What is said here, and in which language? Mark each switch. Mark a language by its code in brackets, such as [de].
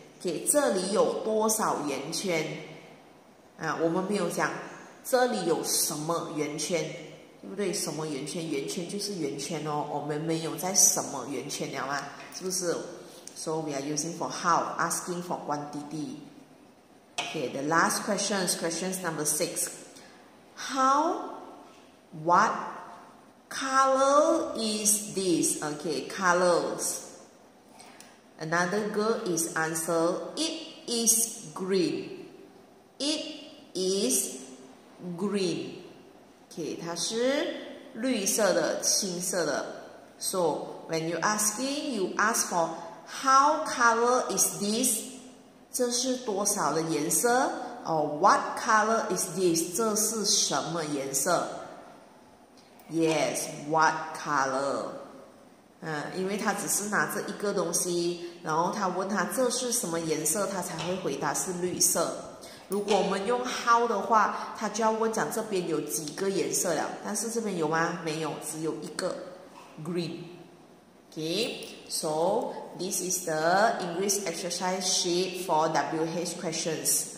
[zh] 给这里有多少圆圈啊，我们没有讲这里有什么圆圈，对不对？什么圆圈？圆圈就是圆圈哦，我们没有在什么圆圈了吗？是不是？ [en] So we are using for how, asking for quantity. Okay, the last question is questions number 6. How, what color is this? Okay, colors. Another girl is answer, it is green. It is green. Okay, [zh] 它是绿色的，青色的。 [en] So, when you asking, you ask for how color is this? [zh] 这是多少的颜色? [en] Or what color is this? [zh] 这是什么颜色? [en] Yes, what color? [zh] 因为他只是拿着一个东西，然后他问他这是什么颜色，他才会回答是绿色。如果我们用 how 的话，他就要问讲这边有几个颜色了，但是这边有吗？没有，只有一个 green。 [en] Okay, so this is the English exercise sheet for WH questions.